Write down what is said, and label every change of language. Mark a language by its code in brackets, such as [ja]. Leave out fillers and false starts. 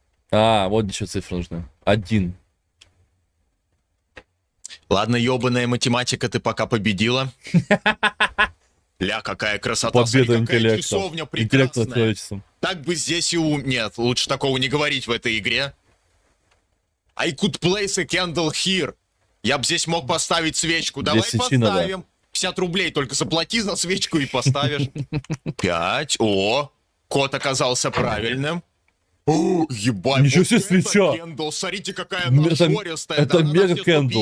[ru] А, вот еще цифры нужны. Один. Ладно, ебаная математика, ты пока победила. Ля, какая красота. Победа интеллекта. Какая часовня прекрасная. Так бы здесь и ум... Нет, лучше такого не говорить в этой игре. [en] I could place a candle here. [ru] Я бы здесь мог поставить свечку. Давай поставим. 50 рублей только заплати за свечку и поставишь. 5. О, кот оказался правильным. О, ебать. Ничего себе свеча. Смотрите, какая она жористая. Это мега кендл.